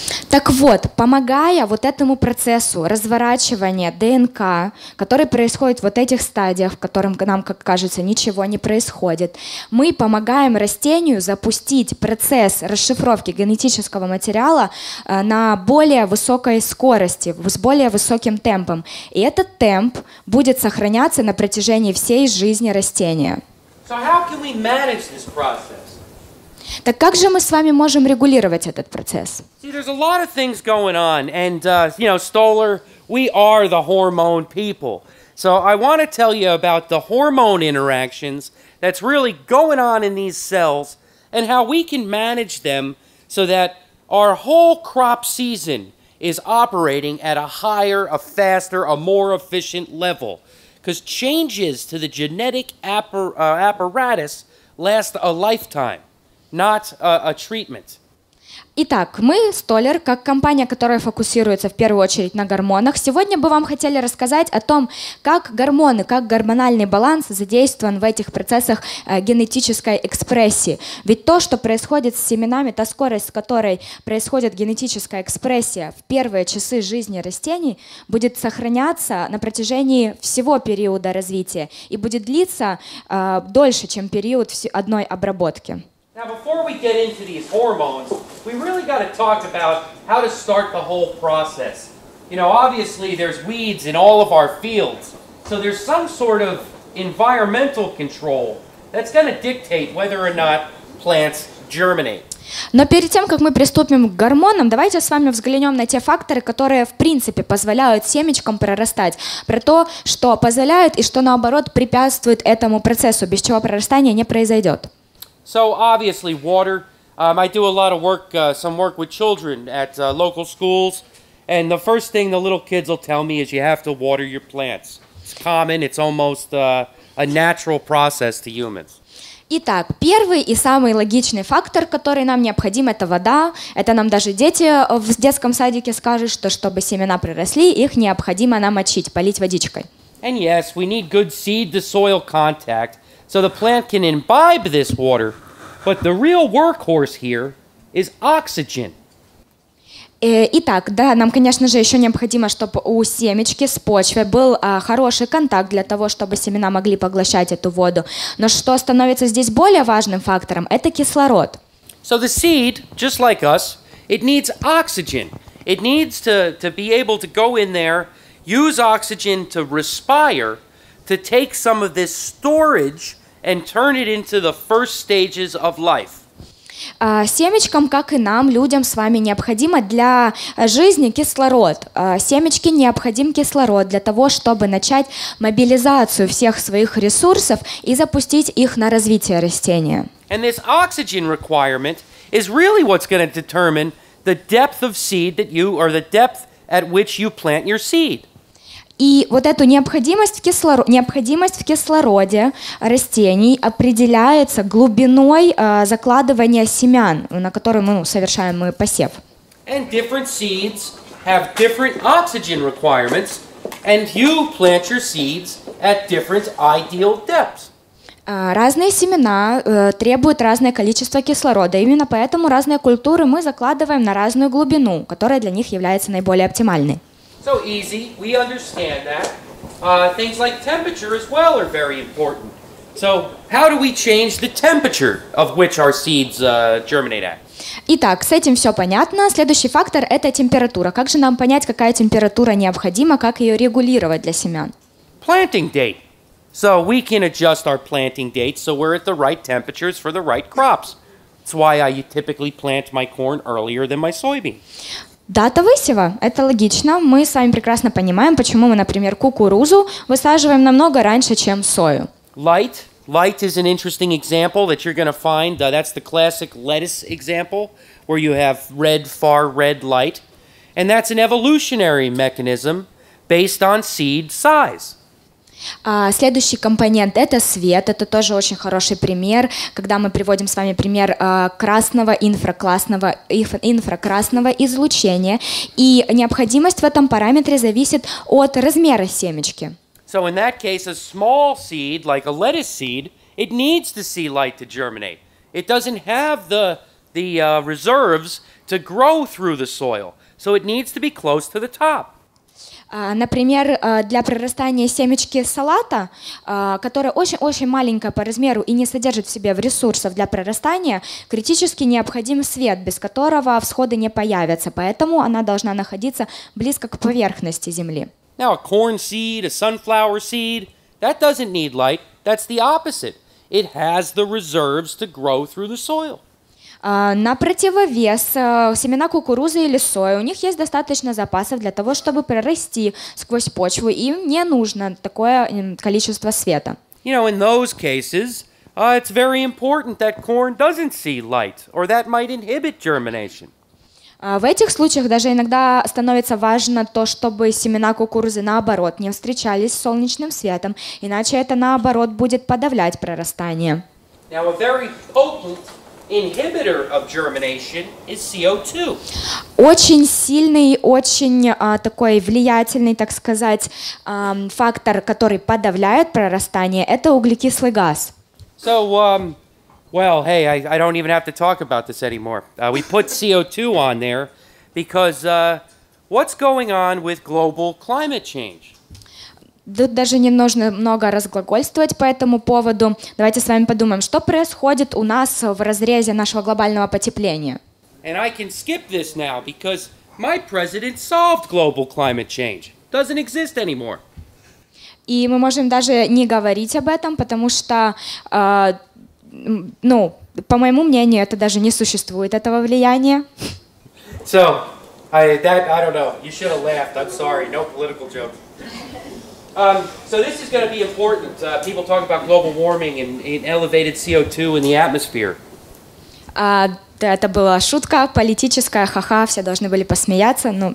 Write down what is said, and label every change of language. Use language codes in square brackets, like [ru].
[ru] Так вот, помогая вот этому процессу разворачивания ДНК, который происходит в вот этих стадиях, в которых нам, как кажется, ничего не происходит, мы помогаем растению запустить процесс расшифровки генетического материала на более высокой скорости, с более высоким темпом. И этот темп будет сохраняться на протяжении всей жизни растения. [en] So how can we manage this process? [ru] Так как же мы с вами можем регулировать этот процесс? [en] See, there's a lot of things going on, and Stoller, we are the hormone people. So I want to tell you about the hormone interactions that's really going on in these cells, and how we can manage them so that our whole crop season is operating at a higher, a faster, a more efficient level. Because changes to the genetic apparatus last a lifetime. Not a treatment. [ru] Итак, мы, Stoller, как компания, которая фокусируется в первую очередь на гормонах, сегодня бы вам хотели рассказать о том, как гормоны, как гормональный баланс задействован в этих процессах генетической экспрессии. Ведь то, что происходит с семенами, та скорость, с которой происходит генетическая экспрессия в первые часы жизни растений, будет сохраняться на протяжении всего периода развития и будет длиться дольше, чем период одной обработки. [en] Now, before we get into these hormones, we really got to talk about how to start the whole process. You know, obviously, there's weeds in all of our fields, so there's some sort of environmental control that's going to dictate whether or not plants germinate. [ru] Но перед тем, как мы приступим к гормонам, давайте с вами взглянем на те факторы, которые в принципе позволяют семечкам прорастать, про то, что позволяет и что наоборот препятствует этому процессу, без чего прорастание не произойдет. [en] So obviously water, I do a lot of work, some work with children at local schools, and the first thing the little kids will tell me is you have to water your plants. It's common, it's almost a natural process to humans. [ru] Итак, первый и самый логичный фактор, который нам необходим, это вода. Это нам даже дети в детском садике скажут, что чтобы семена проросли, их необходимо намочить, полить водичкой. [en] And yes, we need good seed-to-soil contact. So the plant can imbibe this water, but the real workhorse here is oxygen. [ru] Итак, да, нам, конечно же, еще необходимо, чтобы у семечки с почвой был хороший контакт для того, чтобы семена могли поглощать эту воду. Но что становится здесь более важным фактором, это кислород. [en] So the seed, just like us, it needs oxygen. It needs to be able to go in there, use oxygen to respire, to take some of this storage and turn it into the first stages of life. [ru] Семечкам, как и нам, людям с вами, необходимо для жизни кислород. Семечке необходим кислород для того, чтобы начать мобилизацию всех своих ресурсов и запустить их на развитие растения. [en] And this oxygen requirement is really what's going to determine the depth of seed that you, or the depth at which you plant your seed. [ru] И вот эту необходимость в кислороде растений определяется глубиной закладывания семян, на которые мы совершаем посев. [en] And different seeds have different oxygen requirements, and you plant your seeds at different ideal depths. [ru] Разные семена требуют разное количество кислорода. Именно поэтому разные культуры мы закладываем на разную глубину, которая для них является наиболее оптимальной. [en] So easy, we understand that. Things like temperature as well are very important. So how do we change the temperature of which our seeds germinate at? [ru] Итак, с этим все понятно. Следующий фактор – это температура. Как же нам понять, какая температура необходима, как ее регулировать для семян? [en] Planting date. So we can adjust our planting date so we're at the right temperatures for the right crops. That's why I typically plant my corn earlier than my soybean. [ru] Дата высева. Это логично. Мы с вами прекрасно понимаем, почему мы, например, кукурузу высаживаем намного раньше, чем сою. [en] Light. Light is an interesting example that you're going to find. That's the classic lettuce example, where you have red, far red light. And that's an evolutionary mechanism based on seed size. [ru] Следующий компонент – это свет. Это тоже очень хороший пример, когда мы приводим с вами пример красного, инфракрасного излучения. И необходимость в этом параметре зависит от размера семечки. [en] So in that case, a small seed, like a lettuce seed, it needs to see light to germinate. It doesn't have the the reserves to grow through the soil. So it needs to be close to the top. [ru] Например, для прорастания семечки салата, которая очень-очень маленькая по размеру и не содержит в себе ресурсов для прорастания, критически необходим свет, без которого всходы не появятся. Поэтому она должна находиться близко к поверхности земли. [en] Now, a corn seed, a sunflower seed, that doesn't need light. That's the opposite. It has the reserves to grow through the soil. [ru] На противовес, семена кукурузы или сои, у них есть достаточно запасов для того, чтобы прорасти сквозь почву, им не нужно такое количество света. [en] You know, in those cases, it's very important that corn doesn't see light, or that might inhibit germination. [ru] В этих случаях даже иногда становится важно то, чтобы семена кукурузы, наоборот, не встречались с солнечным светом, иначе это, наоборот, будет подавлять прорастание. [en] Now, a very potent inhibitor of germination is CO2. [ru] Очень сильный, очень такой влиятельный, так сказать, фактор, который подавляет прорастание, это углекислый газ. [en] So, well, hey, I don't even have to talk about this anymore. We put CO2 on there because what's going on with global climate change? [ru] Тут даже не нужно много разглагольствовать по этому поводу. Давайте с вами подумаем, что происходит у нас в разрезе нашего глобального потепления. [en] And I can skip this now, because my president solved global climate change. Doesn't exist anymore. [ru] И мы можем даже не говорить об этом, потому что, по моему мнению, это даже не существует, этого влияния. [en] So, I don't know, you should have laughed, I'm sorry, no political joke. So this is going to be important. People talk about global warming and elevated CO2 in the atmosphere. [ru] Да, это была шутка, политическая, ха-ха, все должны были посмеяться.